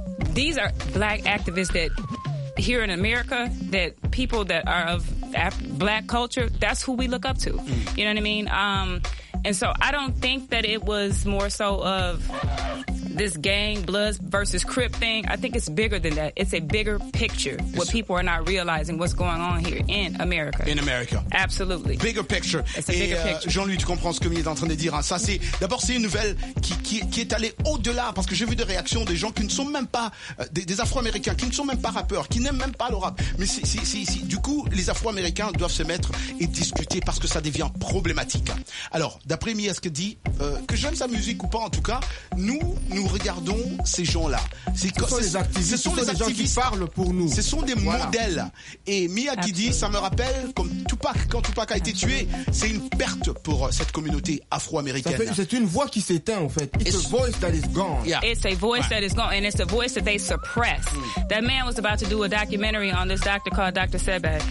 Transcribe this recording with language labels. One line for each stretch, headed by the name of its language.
English: These are black activists that here in America, that people that are of black culture, that's who we look up to. You know what I mean? And so I don't think that it was more so of this gang blood versus Crip thing. I think it's bigger than that. It's a bigger picture. What people are not realizing what's going on here in America. In America. Absolutely. Bigger picture. It's a bigger picture.
French: Jean-Louis, tu comprends ce que Mia est en train de dire. Hein. Ça, c'est d'abord, c'est une nouvelle qui est allée au-delà parce que j'ai vu des réactions des gens qui ne sont même pas des Afro-Américains, qui ne sont même pas rappeurs, qui n'aiment même pas le rap. Mais si. Du coup, les Afro-Américains doivent se mettre et discuter parce que ça devient problématique. Alors, d'après Mia, ce que dit, que j'aime sa musique ou pas, en tout cas, nous regardons ces gens-là. Ce sont les activistes qui parlent pour nous. Ce sont des modèles. Et Mia qui dit, ça me rappelle, comme Tupac, quand Tupac a été tué, c'est une perte pour cette communauté afro-américaine. C'est une voix qui s'éteint, en fait.
English: It's a voice that is gone. Yeah. It's a voice that is gone, and it's a voice that they suppress. Mm. That man was about to do a documentary on this doctor called Dr. Sebi.